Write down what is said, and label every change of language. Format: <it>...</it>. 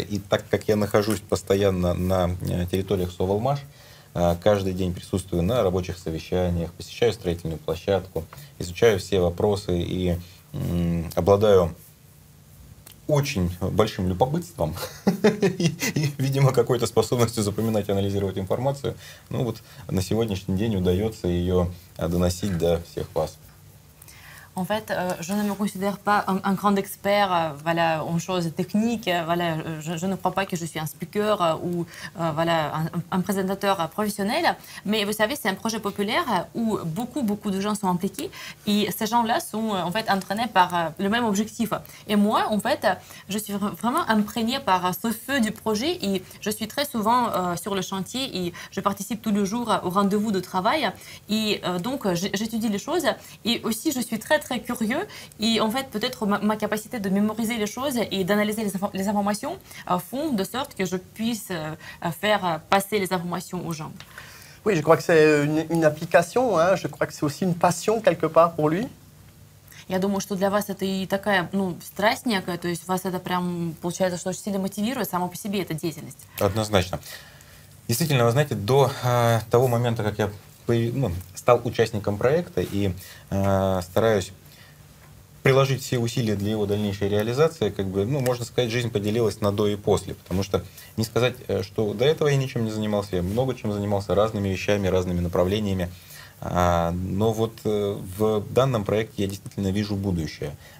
<ru>И так как я нахожусь постоянно на территориях Совалмаш, каждый день присутствую на рабочих совещаниях, посещаю строительную площадку, изучаю все вопросы и обладаю очень большим любопытством и, видимо, какой-то способностью запоминать и анализировать информацию, ну вот на сегодняшний день удается ее доносить до всех вас.</ru> <fr>En fait, je ne me considère pas un grand expert voilà, en choses techniques. Voilà, je ne crois pas que je suis un speaker ou voilà, un présentateur professionnel. Mais vous savez, c'est un projet populaire où beaucoup, beaucoup de gens sont impliqués. Et ces gens-là sont en fait, entraînés par le même objectif. Et moi, en fait, je suis vraiment imprégnée par ce feu du projet. Et je suis très souvent sur le chantier et je participe tous les jours aux rendez-vous de travail. Et donc, j'étudie les choses. Et aussi, je suis très curieux et en fait peut-être ma capacité de mémoriser les choses et d'analyser les informations font de sorte que je puisse faire passer les informations aux gens. Oui, je crois que c'est une application, hein. Je crois que c'est aussi une passion quelque part pour lui.</fr> <ru>Я думаю, что для вас это и такая, ну, страсть некая, то есть вас это прям получается, что очень сильно мотивирует само по себе эта деятельность. Однозначно. Действительно, вы знаете, до того момента, как я стал участником проекта и стараюсь приложить все усилия для его дальнейшей реализации, как бы, ну, можно сказать, жизнь поделилась на до и после, потому что не сказать, что до этого я ничем не занимался, я много чем занимался, разными вещами, разными направлениями, но вот в данном проекте я действительно вижу будущее,</ru>